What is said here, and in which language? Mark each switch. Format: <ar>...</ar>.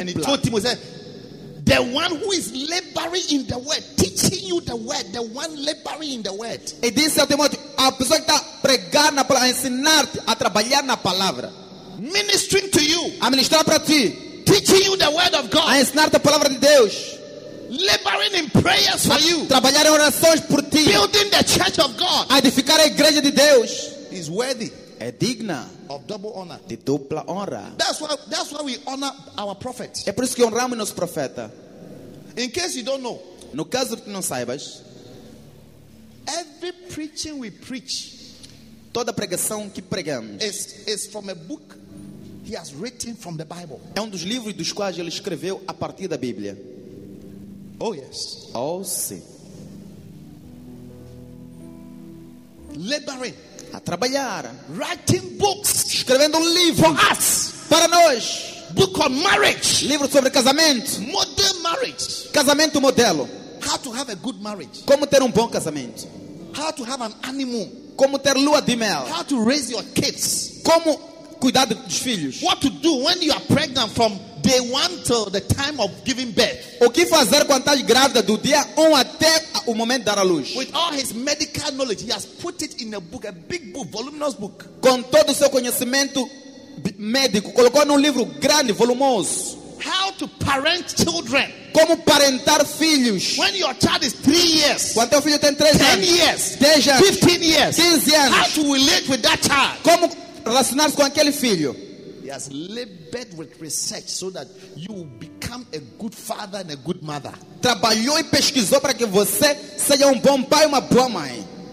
<en>And he told him, he said, the one who is laboring in the word, teaching you the word, the one laboring in the word.</en> <pt>E disse ao Timóteo, a pessoa que está pregar na palavra, ensinar-te a trabalhar na palavra.</pt> <en>Ministering to you.</en> <pt>A ministrar para ti.</pt> <en>Teaching you the word of God.</en> <pt>A ensinar-te a palavra de Deus.</pt> <en>Laboring in prayers for you.</en> <pt>Trabalhar em orações por ti.</pt> <en>Building the church of God.</en> <pt>Edificar a igreja de Deus.</pt> <en>Is worthy.</en> <pt>É digna.</pt> <en>Of double honor.</en> <pt>De dupla honra.</pt> <en>That's why we honor our prophet.</en> <pt>É por isso que honramos nosso profeta.</pt> <en>In case you don't know.</en> <pt>No caso que não saibas.</pt> <en>Every preaching we preach.</en> <pt>Toda pregação que pregamos.</pt> <en>Is from a book he has written from the Bible.</en> <pt>É dos livros dos quais ele escreveu a partir da Bíblia.</pt> <en>Oh yes.</en> <pt>Oh sim.</pt> <en>Laboring.</en> <pt>A trabalhar.</pt> <en>Writing books.</en> <pt>Escrevendo um livro.</pt> <en>For us.</en> <pt>Para nós.</pt> <en>Book on marriage.</en> <pt>Livro sobre casamento.</pt> <en>Model marriage.</en> <pt>Casamento modelo.</pt> <en>How to have a good marriage.</en> <pt>Como ter bom casamento.</pt> <en>How to have an honeymoon.</en> <pt>Como ter lua de mel.</pt> <en>How to raise your kids.</en> <pt>Como cuidar dos filhos.</pt> <en>What to do when you are pregnant from day one to the time of giving birth.</en> <pt>O que fazer quando estás grávida do dia 1 até o momento de dar à luz.</pt> <en>With all his medical knowledge, he has put it in a book, a big book, voluminous book.</en> <pt>Com todo o seu conhecimento médico, colocou num livro grande, volumoso.</pt> <en>How to parent children.</en> <pt>Como parentar filhos.</pt> <en>When your child is 3 years,</en> <pt>quando teu filho tem 3 10 anos,</pt> <en>years,</en> <pt>10 anos,</pt> <en>15 years,</en> <pt>15 anos,</pt> <en>how to relate with that child?</en> <pt>Como relacionar-se com aquele filho?</pt> <en>He has labored with research so that you will become a good father and a good mother.</en> <pt>Trabalhou e pesquisou para que você seja bom pai e uma boa mãe.</pt>